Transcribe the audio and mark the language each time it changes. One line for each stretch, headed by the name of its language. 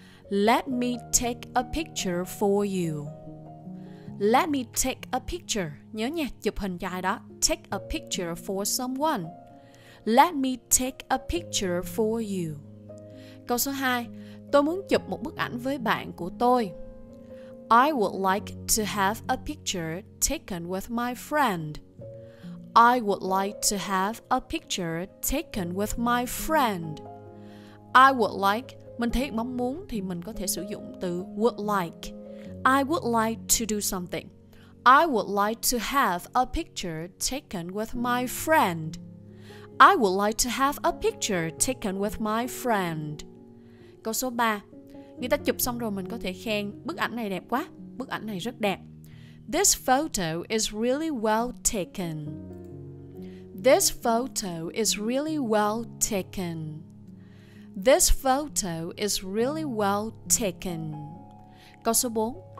English: Let me take a picture for you. Let me take a picture.
Vietnamese: Nhớ nha, chụp hình cho ai đó.
English: Take a picture for someone. Let me take a picture for you.
Vietnamese: Câu số 2. Tôi muốn chụp một bức ảnh với bạn của tôi.
English: I would like to have a picture taken with my friend. I would like to have a picture taken with my friend. I would like,
Vietnamese: mình thấy mong muốn thì mình có thể sử dụng từ would like.
English: I would like to do something. I would like to have a picture taken with my friend. I would like to have a picture taken with my friend.
Vietnamese: Câu số 3. Người ta chụp xong rồi mình có thể khen bức ảnh này đẹp quá, bức ảnh này rất đẹp.
English: This photo is really well taken. This photo is really well taken. This photo is really well taken.
Vietnamese: Câu số 4.